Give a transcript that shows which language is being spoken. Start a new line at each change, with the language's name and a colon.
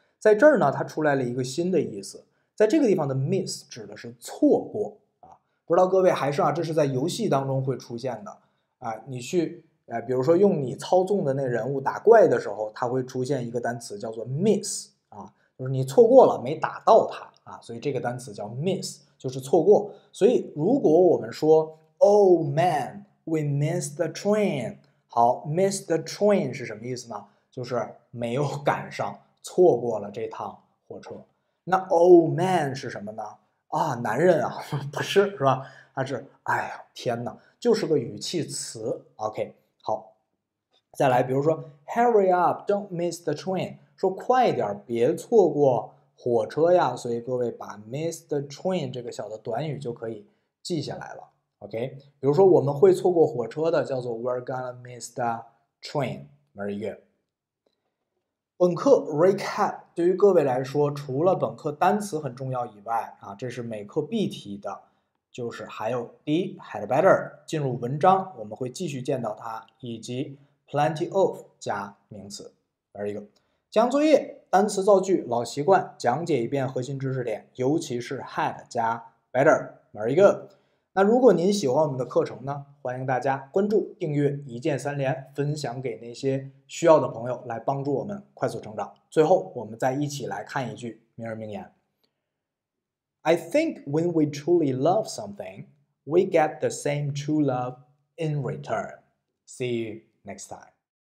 Chinese: 在这儿呢，它出来了一个新的意思，在这个地方的 miss 指的是错过啊。不知道各位还是啊，这是在游戏当中会出现的啊。你去比如说用你操纵的那人物打怪的时候，它会出现一个单词叫做 miss 啊，就是你错过了，没打到他。啊，所以这个单词叫 miss，就是错过。所以如果我们说
English: "Oh man, we missed the train"，
Chinese: 好，miss the train 是什么意思呢？就是没有赶上，错过了这趟火车。那 "Oh man" 是什么呢？啊，男人啊，不是，是吧？他是，哎呀，天哪，就是个语气词。 OK，好，再来，比如说
English: "Hurry up, don't miss the train"，
Chinese: 说快点，别错过。火车呀，所以各位把 miss the train 这个小的短语就可以记下来了。
English: OK，
Chinese: 比如说我们会错过火车的，叫做
English: we're gonna miss the train，very good。
Chinese: 本课 recap 对于各位来说，除了本课单词很重要以外啊，这是每课必提的，就是还有第一 had better 进入文章，我们会继续见到它，以及 plenty of 加名词，very good。讲作业。单词造句老习惯，讲解一遍核心知识点，尤其是 had 加 better 哪一个？那如果您喜欢我们的课程呢，欢迎大家关注、订阅、一键三连，分享给那些需要的朋友，来帮助我们快速成长。最后，我们再一起来看一句名人名言：
English: I think when we truly love something, we get the same true love in return. See you next time.